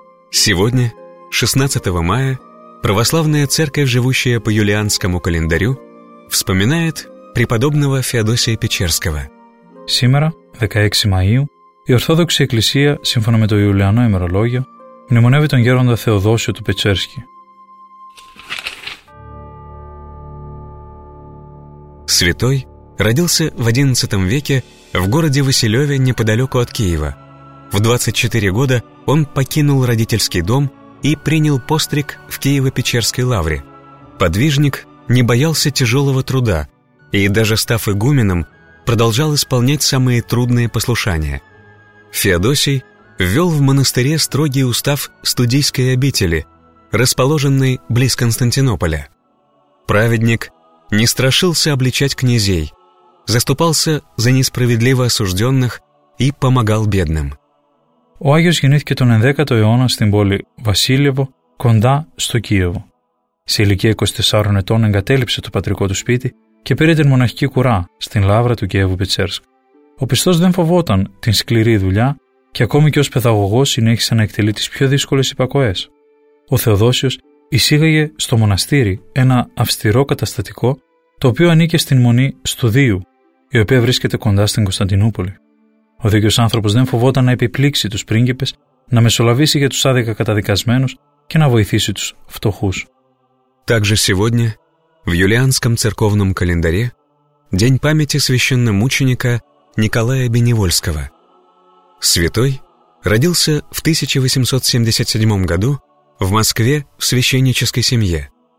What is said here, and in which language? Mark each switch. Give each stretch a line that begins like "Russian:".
Russian: Сегодня, 16 мая, православная церковь, живущая по юлианскому календарю, вспоминает преподобного Феодосия Печерского. Сегодня, 16 мая,
Greek: η Ορθόδοξη Εκκλησία, σύμφωνα με το Ιουλιανό ημερολόγιο, μνημονεύει τον Γέροντα Θεοδόσιο του Πετσέρσκη.
Russian: Святой родился в 11 веке в городе Василеве неподалеку от Киева. В 24 года он покинул родительский дом и принял постриг в Киево-Печерской лавре. Подвижник не боялся тяжелого труда и, даже став игуменом, продолжал исполнять самые трудные послушания. Феодосий ввел в монастыре строгий устав студийской обители, расположенной близ Константинополя. Праведник не страшился обличать князей, заступался за несправедливо осужденных и помогал бедным.
Greek: Ο Άγιος γεννήθηκε τον 10ο αιώνα στην πόλη Βασίλευο, κοντά στο Κίεβο. Σε ηλικία 24 ετών εγκατέλειψε το πατρικό του σπίτι και πήρε την μοναχική κουρά στην λαύρα του Κιέβου Πετσέρσκ. Ο πιστός δεν φοβόταν την σκληρή δουλειά και ακόμη και ως παιδαγωγός συνέχισε να εκτελεί τις πιο δύσκολες υπακοές. Ο Θεοδόσιος εισήγαγε στο μοναστήρι ένα αυστηρό καταστατικό το οποίο ανήκε στην μονή Στουδίου, η οποία βρίσκεται κοντά στην Κωνσταντινούπολη. Ο δίκαιος άνθρωπος δεν φοβόταν να επιπλήξει τους πρίγκιπες, να μεσολαβήσει για τους άδικα καταδικασμένους και να βοηθήσει τους φτωχούς.
Russian: Также сегодня в юлианском церковном календаре день памяти священномученика Николая Беневольского. Святой родился в 1877 году в Москве в священнической семье.